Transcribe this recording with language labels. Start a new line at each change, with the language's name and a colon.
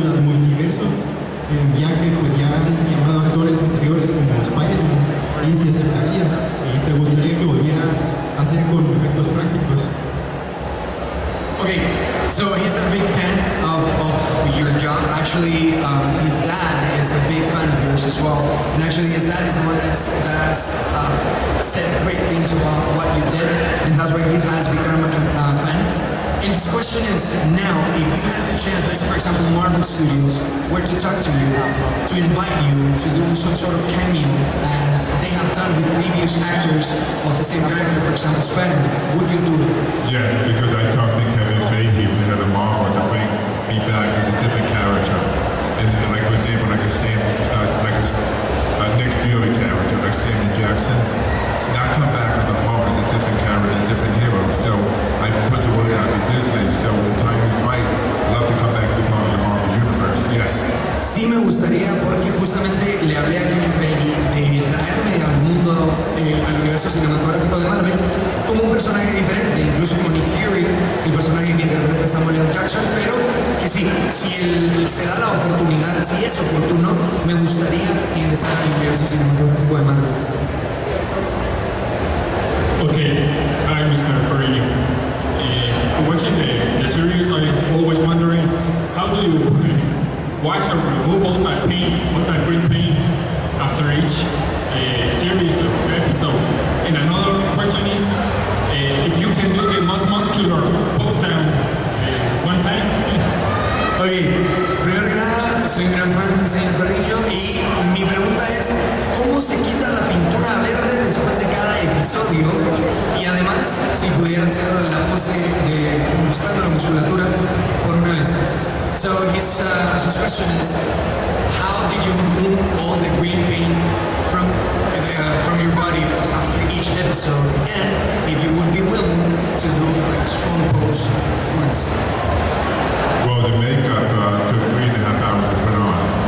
Spanish: que ya han llamado actores anteriores como Spider-Man, y si aceptarías y te gustaría que volviera a hacer con efectos prácticos.
English: Okay, so he's a big fan of your job. Actually, his dad is a big fan of yours as well. And actually, his dad is the one that has said great things about what you did, and that's why he has become a fan. And his question is, now, if you had the chance, let's say for example Marvel Studios were to talk to you, to invite you to do some sort of cameo, as they have done with previous actors of the same character, for example Spider-Man, would you do it? Yes, because I talked to Kevin Feige, the head of Marvel, to bring me back as a different character. And then, like, for example, like a Sam, like a Nick Fury character, like Samuel Jackson. Not come back as a Hulk, as a different character, a different hero. So I put the word out in business. So the time is right. Love to come back to part of the Marvel Universe. Yes.
Spanish: Sí, me gustaría porque justamente le hablé a Kevin Feige de traerme al mundo, al universo cinematográfico de Marvel, como un personaje diferente, incluso como Nick Fury, el personaje que interpreta Samuel L. Jackson, pero que sí, si él se da la oportunidad, si es oportuno, me gustaría en estar en el universo cinematográfico de Marvel.
English: Okay, I'm Mr. Ferrigno. Watching the series, I'm always wondering, how do you wash or remove all that paint, all that green paint, after each series or episode? And another question is, if you can do the muscular both down one time?
Spanish: Okay, primero que nada, soy un gran fan, señor Ferrigno, y mi pregunta es, ¿cómo se quita la pintura verde después de cada episodio? Y además, si pudiera hacer la pose de mostrando la musculatura por una vez.
English: So his question is, how did you remove all the green paint from your body after each episode? And if you would be willing to do a strong pose once? Well, the makeup took 3.5 hours to put on.